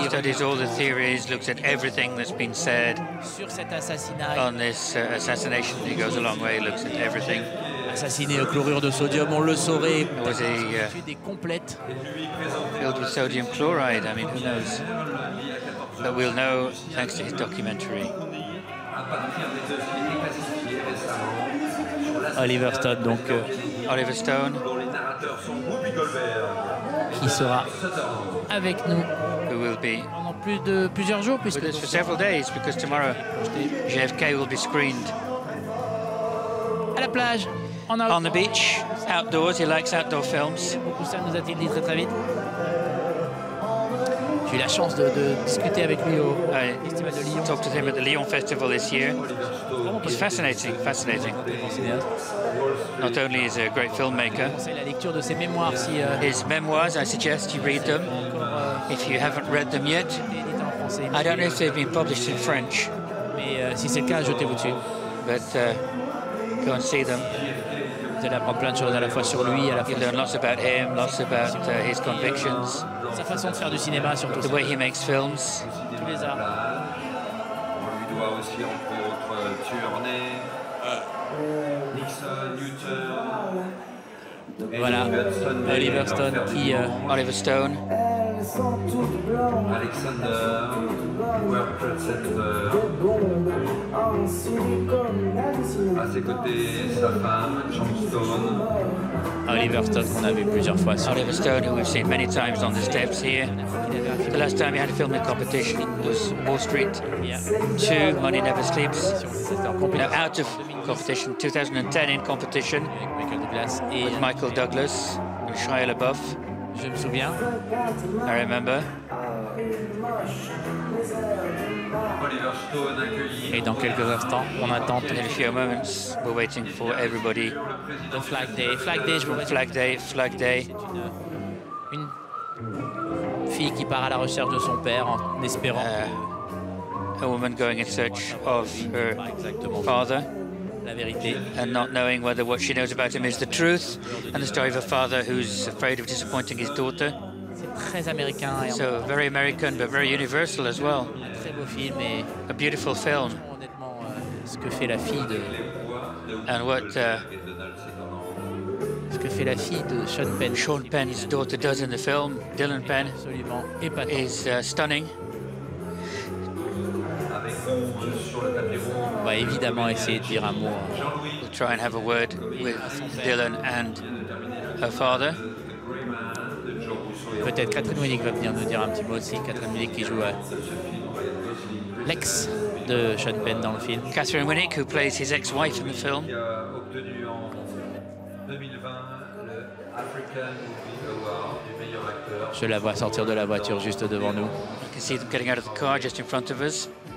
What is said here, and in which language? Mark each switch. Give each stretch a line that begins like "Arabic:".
English: He studies all the theories, looks at everything that's been said on this assassination. He goes a long way, looks at everything.
French: Assassiné au chlorure de sodium, on le saurait.
English: Was he filled with sodium chloride? I mean, who knows? But we'll know thanks to his documentary.
French: Oliver Stone, donc.
English: Oliver Stone.
French: Qui sera avec nous pendant plus de plusieurs jours, puisque
English: for several days, because tomorrow JFK will be screened
French: à la plage,
English: on the beach, outdoors. He likes outdoor films.
French: Beaucoup ça nous a-t-il dit très très vite. J'ai eu la chance de discuter avec lui au Festival de Lyon.
English: Talked to him at the Lyon Festival this year. It was fascinating, fascinating. Not only is he a great filmmaker.
French: La lecture de ses mémoires, si
English: his memoirs, I suggest you read them. If you haven't read them yet, I don't know if they've been published in French.
French: Mais si c'est le cas, jetez-vous dessus.
English: But go and see them.
French: Vous allez apprendre plein de choses à la fois sur lui, à la fois.
English: You learn lots about him, lots about his convictions.
French: Sa façon de faire du cinéma, surtout.
English: The way he makes films.
French: Tous les arts. On lui doit aussi, entre autres, Turner, Nixon, Newton. Voilà, Oliver Stone qui.
English: Oliver Stone.
French: Alexander, à ses côtés, sa femme, John Stone. Oliver Stone, qu'on a vu plusieurs fois.
English: Oliver Stone, who we've seen many times on the steps here. The last time he had a filming competition was Wall Street 2, Money Never Sleeps. Now out of competition, 2010 in competition, with Michael Douglas and Shia LaBeouf.
French: Je me souviens.
English: I remember.
French: Et dans quelques instants, on attend.
English: In a few moments, we're waiting for everybody. The Flag Day, Flag Day, Flag Day, Flag Day.
French: Une fille qui part à la recherche de son père en espérant.
English: A woman going in search of her father.
French: La vérité.
English: And not knowing whether what she knows about him is the truth, and the story of a father who's afraid of disappointing his daughter.
French: Très américain.
English: So very American, but very universal as well.
French: Un très beau film et
English: a beautiful film.
French: Honnêtement, ce que fait la fille de.
English: And what.
French: Ce que fait la fille de Sean Penn.
English: Sean Penn's daughter does in the film, Dylan Penn,
French: absolument épatant.
English: Is stunning.
French: On va évidemment essayer de dire un mot.
English: We'll try and have a word with Dylan and her father.
French: Peut-être Catherine Winnick va venir nous dire un petit mot aussi. Catherine Winnick qui joue l'ex de Sean Penn dans le film.
English: Catherine Winnick, who plays his ex-wife in the film.
French: Je la vois sortir de la voiture juste devant nous.
English: You can see them getting out of the car just in front of us.